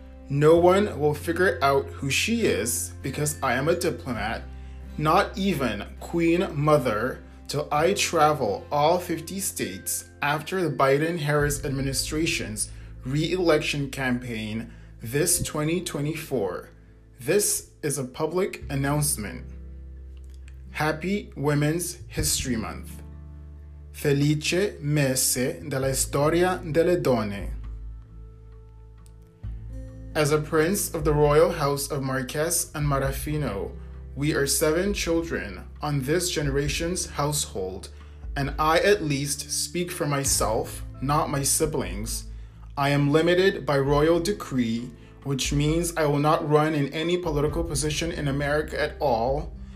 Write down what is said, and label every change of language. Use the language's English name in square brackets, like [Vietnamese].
[English] No one will figure out who she is because I am a diplomat, not even Queen Mother, till I travel all 50 states after the Biden-Harris administration's re-election campaign this 2024. This is a public announcement. Happy Women's History Month. [Italian] Felice mese della storia delle donne. [English] As a prince of the royal house of Marques and Marafino, we are seven children on this generation's household, and I at least speak for myself, not my siblings. I am limited by royal decree, which means I will not run in any political position in America at all.